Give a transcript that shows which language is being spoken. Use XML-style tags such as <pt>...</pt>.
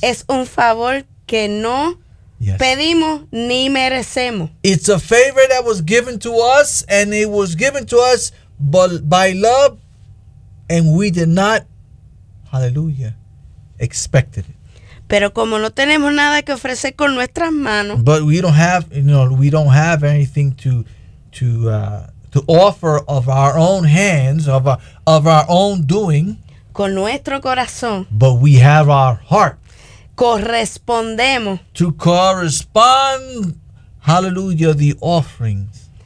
<es>Es un favor que no pedimos ni merecemos.</es> <en>It's a favor that was given to us, and it was given to us by love, and we did not, hallelujah, expect it.</en> <es>Pero como no tenemos nada que ofrecer con nuestras manos,</es> <en>but we don't have, you know, we don't have anything to offer of our own hands, of our own doing,</en> <es>con nuestro corazón,</es> <en>but we have our heart,</en> <es>correspondemos,</es> <en>to correspond, hallelujah, the offerings,</en>